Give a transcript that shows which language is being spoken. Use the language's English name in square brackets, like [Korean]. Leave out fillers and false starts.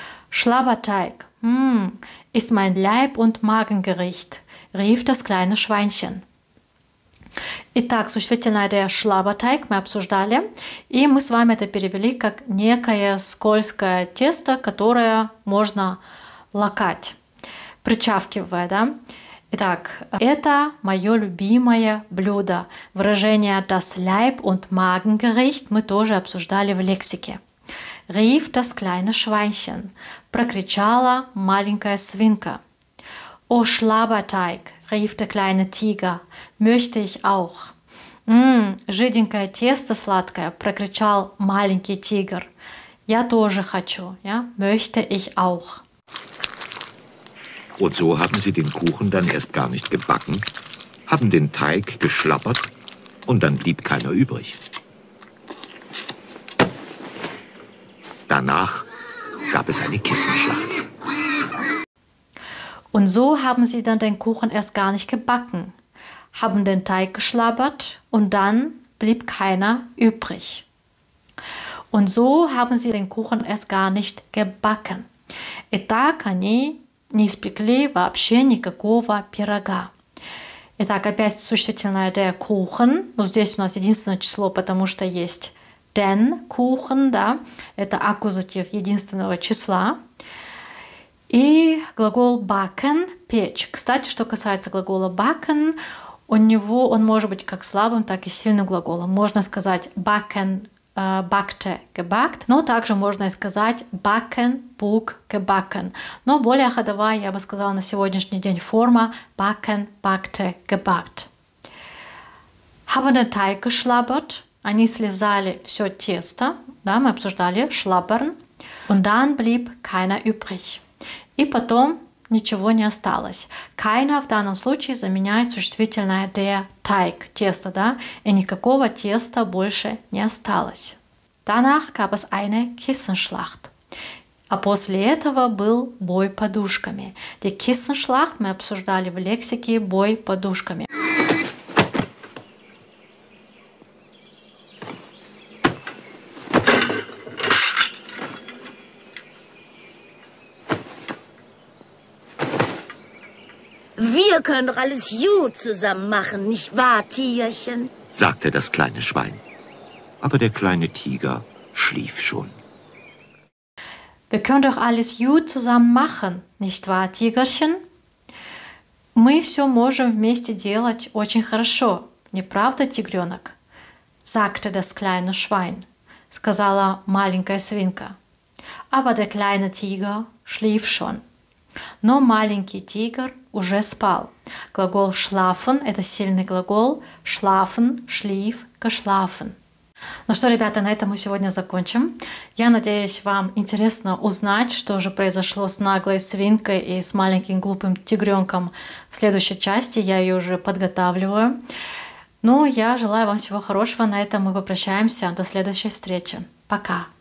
[German] Schlabberteig, ist mein Leib- und Magengericht, rief das kleine Schweinchen. [Russian] Итак, существительное der Schlabberteig мы обсуждали, и мы с вами это перевели как некое скользкое тесто, которое можно лакать, причавкивая, да? Итак, это мое любимое блюдо. Выражение das Leib- und Magengericht мы тоже обсуждали в лексике. [German] Rief das kleine Schweinchen, [Russian] прокричала маленькая свинка. [German] О, Schlabberteig, rief der kleine Tiger, möchte ich auch. [Russian] Жиденькое тесто сладкое, прокричал маленький тигр. Я тоже хочу, ja? [German] Möchte ich auch. Und so haben sie den Kuchen dann erst gar nicht gebacken, haben den Teig geschlabbert und dann blieb keiner übrig. Danach gab es eine Kissenschlacht. Und so haben sie dann den Kuchen erst gar nicht gebacken, haben den Teig geschlabbert und dann blieb keiner übrig. Und so haben sie den Kuchen erst gar nicht gebacken. [Russian] И так они не испекли вообще никакого пирога. Итак, опять существительное der Kuchen. Ну, здесь у нас единственное число, потому что есть den Kuchen, да, это аккузатив единственного числа. И глагол backen, печь. Кстати, что касается глагола backen, у него он может быть как слабым, так и сильным глаголом. Можно сказать backen backte, gebackt, но также можно и сказать backen, book, gebacken. Но более ходовая, я бы сказала, на сегодняшний день форма backen, backte, gebackt. [German] Haben den Teig geschlabbert. [Russian] Они слезали все тесто, да, мы обсуждали, schlabbern. [German] Und dann blieb keiner übrig. [Russian] И потом ничего не осталось. Keiner в данном случае заменяет существительное der Teig, тесто, да, и никакого теста больше не осталось. [German] Danach gab es eine Kissenschlacht. [Russian] А после этого был бой подушками. Die Kissenschlacht мы обсуждали в лексике бой подушками. [German] Wir können doch alles gut zusammen machen, nicht wahr, Tierchen? Sagte das kleine Schwein. Aber der kleine Tiger schlief schon. Wir können doch alles gut zusammen machen, nicht wahr, Tigerchen? [Russian] Мы все можем вместе делать очень хорошо, не правда, тигренок? [German] Sagte das kleine Schwein, [Russian] сказала маленькая свинка. [German] Aber der kleine Tiger schlief schon. [Russian] Но маленький тигр уже спал. Глагол schlafen – это сильный глагол. [German] Schlafen, schlief, geschlafen. [Russian] Ну что, ребята, на этом мы сегодня закончим. Я надеюсь, вам интересно узнать, что же произошло с наглой свинкой и с маленьким глупым тигренком в следующей части. Я ее уже подготавливаю. Ну, я желаю вам всего хорошего. На этом мы попрощаемся. До следующей встречи. Пока!